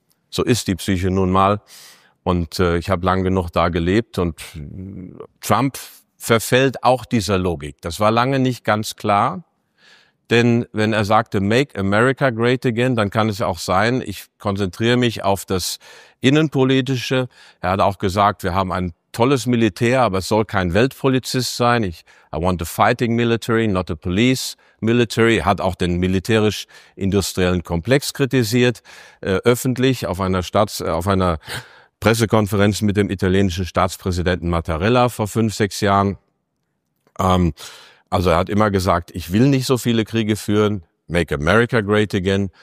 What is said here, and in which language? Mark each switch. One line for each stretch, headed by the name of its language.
German: So ist die Psyche nun mal. Und ich habe lang genug da gelebt und Trump verfällt auch dieser Logik. Das war lange nicht ganz klar, denn wenn er sagte,
English: make America great again,
German: dann kann es ja auch sein, ich konzentriere mich auf das Innenpolitische. Er hat auch gesagt, wir haben einen tolles Militär, aber es soll kein Weltpolizist sein.
English: I want a fighting military, not a police military.
German: Hat auch den militärisch-industriellen Komplex kritisiert, öffentlich auf einer Pressekonferenz mit dem italienischen Staatspräsidenten Mattarella vor 5, 6 Jahren. Also er hat immer gesagt, ich will nicht so viele Kriege führen,
English: make America great again.